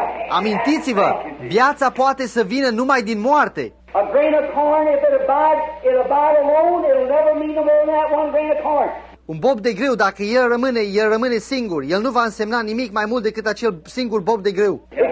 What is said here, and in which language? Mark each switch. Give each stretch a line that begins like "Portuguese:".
Romanian: Amintiți-vă, viața poate să vină numai din moarte.
English: A grain of corn, if it abide, it abide alone, it'll never mean more than that one grain of corn.
Romanian: Un bob de grâu, dacă el rămâne singur. El nu va însemna nimic mai mult decât acel singur bob de grâu.